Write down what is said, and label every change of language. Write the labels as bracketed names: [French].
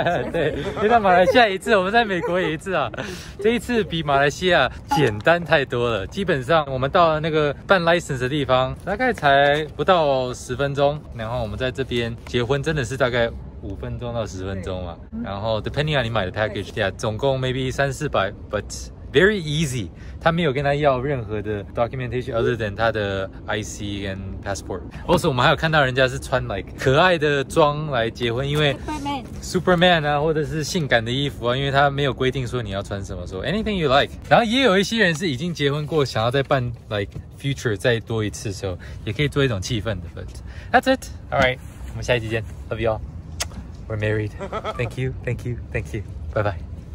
[Chinese] 对，又在马来西亚一次，我们在美国也一次啊。这一次比马来西亚简单太多了。基本上我们到了那个办 license 的地方，大概才不到10分钟。然后我们在这边结婚，真的是大概5分钟到10分钟嘛。然后 [English] depending on [Chinese] 你买的 package， yeah， 总共 [English] maybe 300-400， but very easy。 [Chinese] 他没有跟他要任何的 documentation [English] other than [Chinese] 他的 IC 跟 passport。 Also 我们还有看到人家是穿 like 可爱的装来结婚，因为 [English] Superman [Chinese] 啊，或者是性感的衣服啊，因为他没有规定说你要穿什么，说 [English] anything you like。 [Chinese] 然后也有一些人是已经结婚过，想要再办 [English] like future [Chinese] 再多一次，所以也可以做一种气氛的。 [English] But that's it. Alright， [Chinese] 我们下一集见。 [English] Love you all. We're married. Thank you. Bye bye.